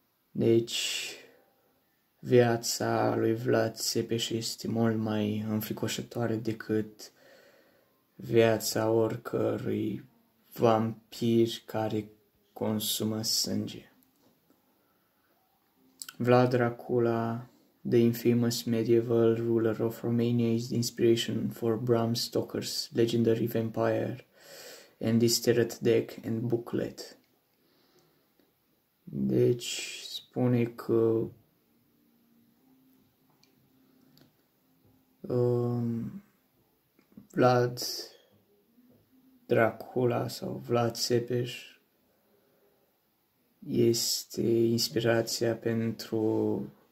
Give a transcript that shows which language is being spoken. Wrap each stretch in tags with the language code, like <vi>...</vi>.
<ro>Deci, viața lui Vlad Țepeș este mult mai înfricoșătoare decât viața oricărui vampir care consumă sânge.</ro> <en>Vlad Dracula, the infamous medieval ruler of Romania, is the inspiration for Bram Stoker's legendary vampire and this tarot deck and booklet.</en> <ro>Deci spune că Vlad Dracula sau Vlad Țepeș este inspirația pentru</ro>